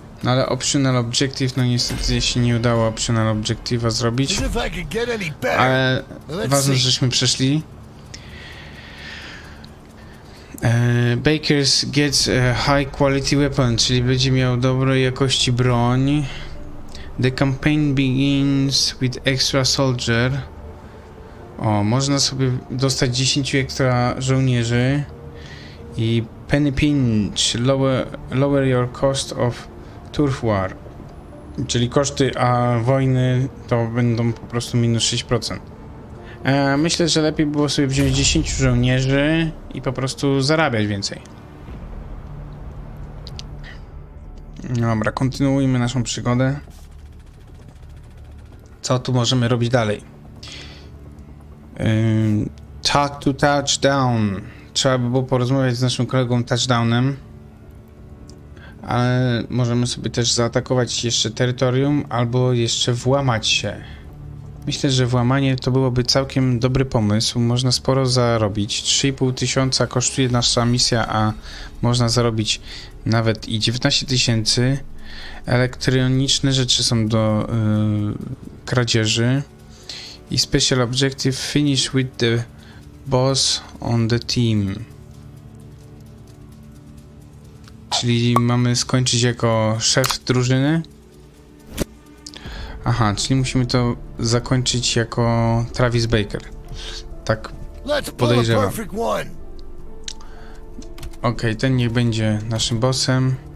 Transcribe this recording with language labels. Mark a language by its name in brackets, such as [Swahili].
[Polish] No ale optional objective, no niestety się nie udało optional objective'a zrobić. Ale ważne, żeśmy przeszli. [English] Bakers gets a high quality weapon, [Polish] czyli będzie miał dobrej jakości broń. [English] The campaign begins with extra soldier. [Polish] O, można sobie dostać 10 ekstra żołnierzy. [English] I penny pinch, lower your cost of turf war. [Polish] Czyli koszty wojny to będą po prostu minus 6%. Myślę, że lepiej było sobie wziąć 10 żołnierzy i po prostu zarabiać więcej. Dobra, kontynuujmy naszą przygodę. Co tu możemy robić dalej? [English] Talk to touchdown. [Polish] Trzeba by było porozmawiać z naszym kolegą touchdownem. Ale możemy sobie też zaatakować jeszcze terytorium albo jeszcze włamać się. Myślę, że włamanie to byłoby całkiem dobry pomysł. Można sporo zarobić. 3500 kosztuje nasza misja, a można zarobić nawet i 19 000. Elektroniczne rzeczy są do kradzieży. [English] I special objective, finish with the boss on the team. [Polish] Czyli mamy skończyć jako szef drużyny. Aha, czyli musimy to zakończyć jako Travis Barker. Tak podejrzewam. Okej, ten niech będzie naszym bossem.